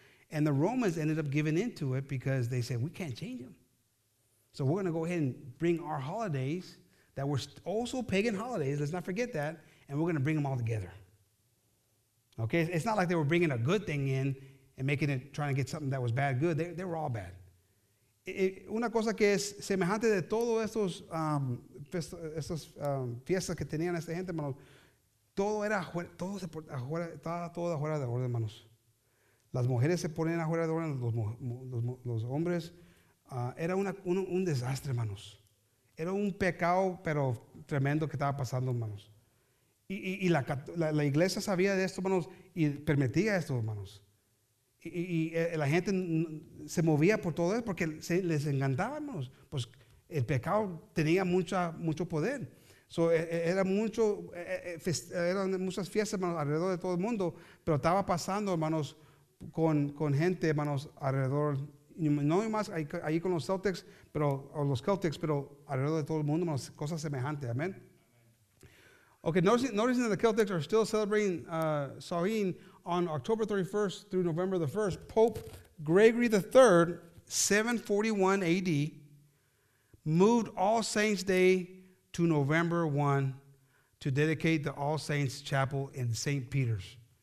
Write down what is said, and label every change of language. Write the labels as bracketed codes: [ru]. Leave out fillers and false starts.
[en] And the Romans ended up giving into it because they said, we can't change them. So we're going to go ahead and bring our holidays that were also pagan holidays, let's not forget that, and we're going to bring them all together. Okay, it's not like they were bringing a good thing in and making it, trying to get something that was bad good. They were all bad. [es] Una cosa que es semejante de todos estos fiestas que tenían esta gente, hermanos, todo estaba afuera de orden, hermanos. Las mujeres se ponían afuera de orden, los hombres. Era un desastre, hermanos. Era un pecado, pero tremendo que estaba pasando, hermanos. Y la iglesia sabía de esto, hermanos, y permitía esto, hermanos. Y la gente se movía por todo eso porque les encantaba, hermanos. Pues el pecado tenía mucho poder. So, eran muchas fiestas, hermanos, alrededor de todo el mundo, pero estaba pasando, hermanos, con gente, hermanos, alrededor, no más ahí con los Celtics, pero o los Celtics, pero alrededor de todo el mundo, hermanos, cosas semejantes, amén. [en] Okay, noticing that the Celtics are still celebrating Samhain on October 31st through November the 1st, Pope Gregory III, 741 AD, moved All Saints Day to November 1 to dedicate the All Saints Chapel in St. Peter's.